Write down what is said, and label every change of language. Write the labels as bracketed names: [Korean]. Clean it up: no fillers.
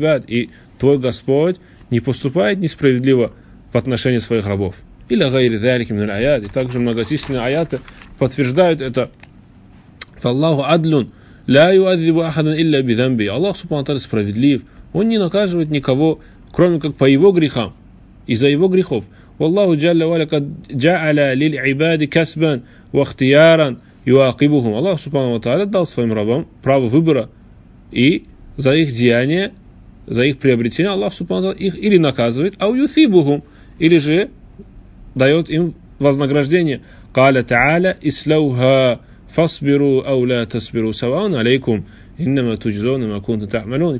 [Russian] И твой Господь не поступает несправедливо в отношении своих рабов. [Arabic] Или гайри дзалики мин аят. [Russian] И также многочисленные аяты подтверждают это. [Arabic] Фаллаху адлун ля юадзибу ахадан илля бидзамби. [Russian] Аллах Субхану ва Тааля справедлив. Он не наказывает никого, кроме как по его грехам. Из-за его грехов. [Arabic] والله جل وعلا قد جعل للعباد كسبا واختيارا يعاقبهم. [Russian] الله سبحانه وتعالى дал своим рабам право выбора, и за их деяния, за их приобретение Аллах سبحانه وتعالى их или наказывает, а [Arabic] يثيبهم, [Russian] или же дает им вознаграждение. [Arabic] قال تعالى اسلوها فاصبروا او لا تصبروا سواء عليكم انما تجزون ما كنتم تعملون.